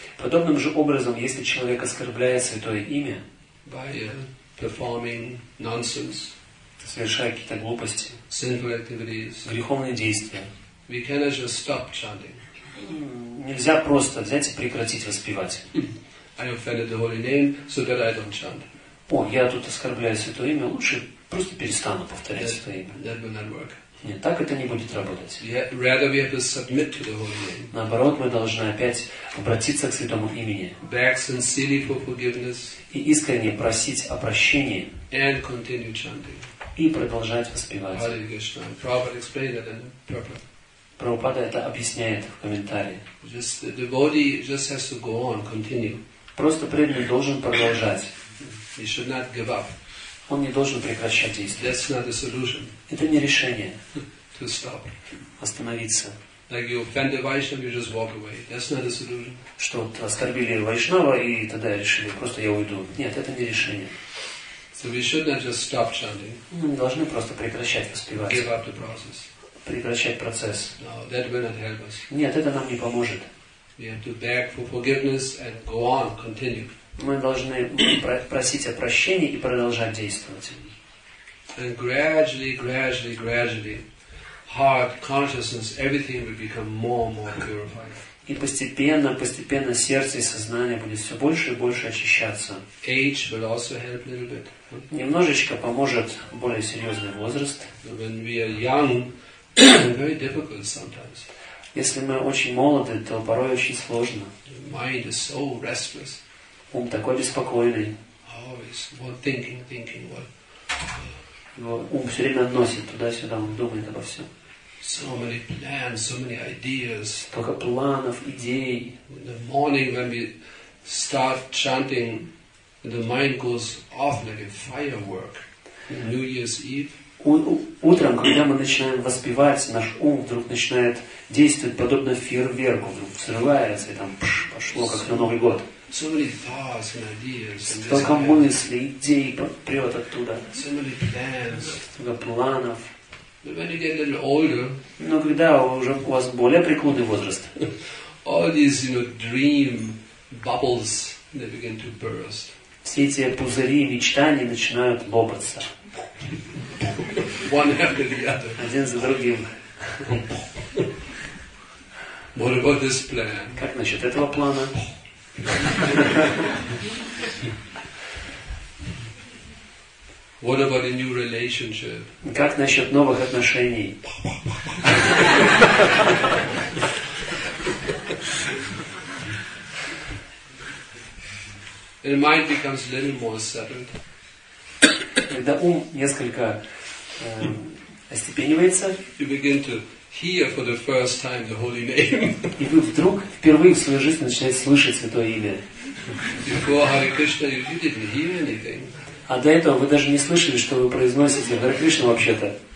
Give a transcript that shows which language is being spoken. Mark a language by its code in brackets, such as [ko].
[ru] подобным же образом, если человек оскорбляет святое имя, [en] by performing nonsense, [ru] совершая какие-то глупости, [en] sinful activities, [ru] греховные действия, [en] we cannot just stop chanting. [ru] Нельзя просто взять и прекратить воспевать. [en] I offended the holy name, so that I don't chant. [ru] О, я тут оскорбляю святое имя, лучше просто перестану повторять святое имя. [en] That will not work. [ru] Нет, так это не будет работать. [en] Rather we have to submit to the holy name. [ru] Наоборот, мы должны опять обратиться к святому имени. [en] Beg sincerely for forgiveness. [ru] И искренне просить о прощении. [en] And continue chanting. [ru] И продолжать воспевать. [en] Hare Krishna. Prabhupada explained that in the purport. [ru] Прабхупада это объясняет в комментарии. [en] Just, the body just has to go on, continue. [ru] Просто преданный должен продолжать. [en] He should not give up. [ru] Он не должен прекращать действие. [en] That's not a solution. [ru] Это не решение. [en] To stop. [ru] Остановиться. [en] Like you offend the Vaishnava, you just walk away. That's not a solution. [ru] Что оскорбили Вайшнава и тогда решили, просто я уйду. Нет, это не решение. [en] So we should not just stop chanting. [ru] Мы не должны просто прекращать воспевать. [en] Give up the process. [ru] Прекращать процесс. [en] No, that will not help us. [ru] Нет, это нам не поможет. [en] We have to beg for forgiveness and go on, continue. [ru] Мы должны просить о прощении и продолжать действовать. [en] And gradually, gradually, gradually, heart, consciousness, everything will become more and more purified. [ru] И постепенно, постепенно сердце и сознание будет все больше и больше очищаться. [en] Age will also help a little bit. [ru] Немножечко поможет более серьезный возраст. [en] When we are young, very difficult sometimes. [ru] Если мы очень молоды, то порой очень сложно. [en] Mind is so restless. [ru] Ум такой беспокойный. [en] Always thinking, thinking what. [ru] Его ум все время носит туда-сюда, он думает обо всем. [en] So many plans, so many ideas. [ru] Только планов, идей. [en] In the morning when we start chanting, the mind goes off like a firework. New Year's Eve. [ru] Утром, когда мы начинаем воспевать, наш ум вдруг начинает действовать подобно фейерверку, вдруг взрывается и там пш, пошло, как на Новый год. [en] So many thoughts and ideas. [ru] Столько мыслей, идей прет оттуда. [en] So many plans. [ru] Столько планов. [en] But when you get a little older, [ru] но когда уже у вас более преклонный возраст, [en] all these, you know, dream bubbles, they begin to burst. [ru] Все эти пузыри мечтаний начинают лопаться. [en] One after the other. [ru] Один за другим. [en] What about this plan? [ru] Как насчет этого плана? [en] What about a new relationship? [ru] Как насчет новых отношений? [en] The mind becomes a little more settled. [ru] Когда ум несколько остепенивается, [en] you begin to hear for the first time the holy name. [ru] И вы вдруг впервые в своей жизни начинаете слышать святое имя. [en] Before Hare Krishna, you didn't hear anything. [ru] А до этого вы даже не слышали, что вы произносите Hare Krishna вообще-то.